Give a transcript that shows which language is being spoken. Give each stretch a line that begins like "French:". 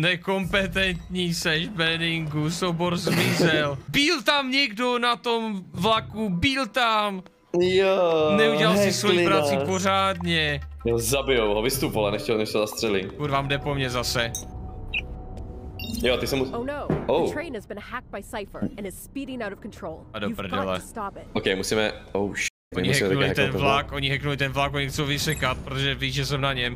Czech: Nekompetentní seš, Benningu, sobor zmizel. Byl tam někdo na tom vlaku, byl tam. Jo. Neudělal si svoji práci pořádně. Jo, zabijou ho, vystup, ale nechtěl, než se zastřelí. Kurva, jde po mě zase. Jo, ty se mu... Oh no, oh.
English: The train has been hacked by Cypher and is speeding out of control.
Czech: A do prdele. Okay, musíme... Oh, Oni hacknuli ten vlak, oni chcou vysekat, protože víš, že jsem na něm.